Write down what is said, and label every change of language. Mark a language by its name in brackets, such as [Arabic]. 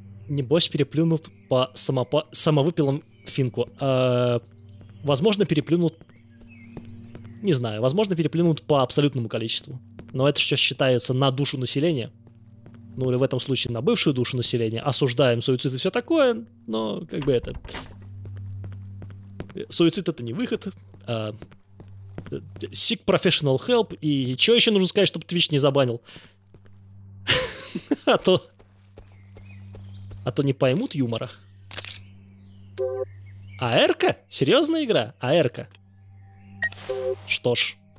[Russian] Небось, переплюнут по самовыпилам финку. Возможно, переплюнут... Не знаю, возможно, переплюнут по абсолютному количеству. Но это что считается на душу населения. ну или в этом случае на бывшую душу населения, осуждаем суицид и все такое, но как бы это... Суицид — это не выход. [English] Seek professional help. [Russian] И что еще нужно сказать, чтобы Twitch не забанил? А то не поймут юмора. АР-ка? Серьезная игра? АР-ка? Что ж.